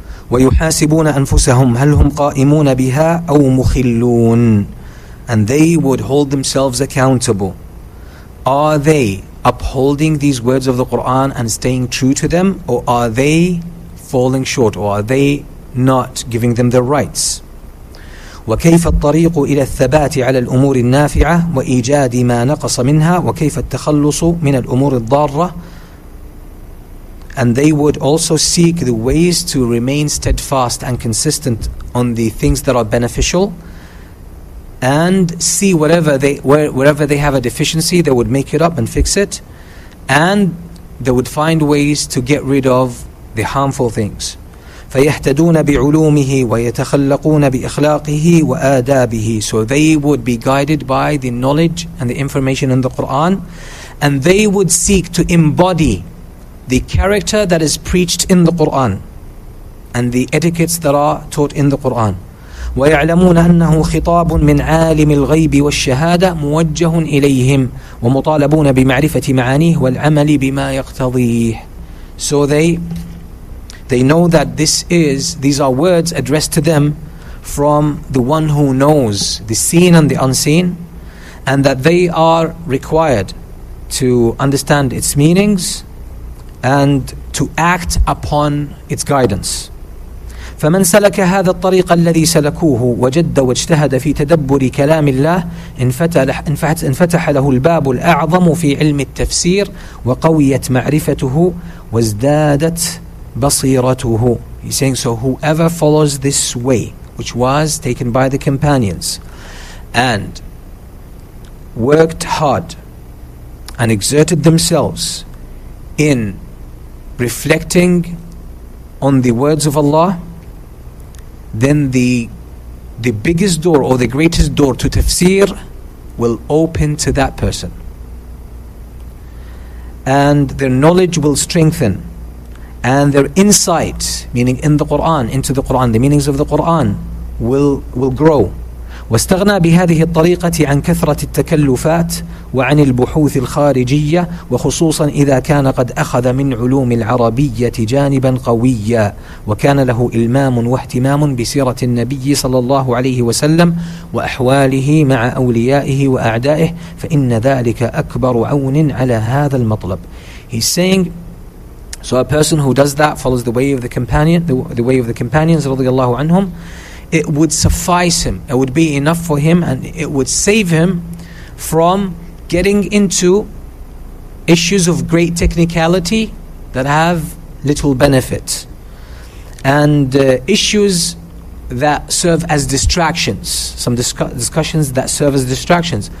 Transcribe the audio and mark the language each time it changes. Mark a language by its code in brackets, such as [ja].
[ar] ويحاسبون أنفسهم هل هم قائمون بها أو مخلون. [en] And they would hold themselves accountable. Are they upholding these words of the Quran and staying true to them, or are they falling short, or are they not giving them their rights? [ar] وكيف الطريق إلى الثبات على الأمور النافعة وإيجاد ما نقص منها وكيف التخلص من الأمور الضارة. [en] And they would also seek the ways to remain steadfast and consistent on the things that are beneficial, and see wherever they have a deficiency, they would make it up and fix it, and they would find ways to get rid of the harmful things. [ar] فيهتدون بعلومه ويتخلقون بإخلاقه وآدابه. [en] So they would be guided by the knowledge and the information in the Quran, and they would seek to embody the character that is preached in the Quran and the etiquettes that are taught in the Quran. [ar] ويعلمون أنه خطاب من عالم الغيب والشهادة موجه إليهم ومطالبون بمعرفة معانيه والعمل بما يقتضيه. [en] So they know that these are words addressed to them from the one who knows the seen and the unseen, and that they are required to understand its meanings and to act upon its guidance. [ar] فمن سلك هذا الطريق الذي سلكوه وجد واجتهد في تدبر كلام الله انفتح له الباب الأعظم في علم التفسير وقويت معرفته وازدادت بصيرته. [en] He's saying, so whoever follows this way, which was taken by the companions, and worked hard and exerted themselves in reflecting on the words of Allah, then the biggest door or the greatest door to tafsir will open to that person, and their knowledge will strengthen, and their insight, meaning in the Quran, into the Quran, the meanings of the Quran, will grow. [ar] واستغنى بهذه الطريقة عن كثرة التكلفات وعن البحوث الخارجية وخصوصا إذا كان قد أخذ من علوم العربية جانبا قويا وكان له إلمام واهتمام بسيرة النبي صلى الله عليه وسلم وأحواله مع أوليائه وأعدائه فإن ذلك أكبر عون على هذا المطلب. [en] He's saying, so a person who does that, follows the way of the companion, the way of the companions [ar] رضي الله عنهم, [en] it would suffice him, it would be enough for him, and it would save him from getting into issues of great technicality that have little benefit, and issues that serve as distractions, some discussions that serve as distractions.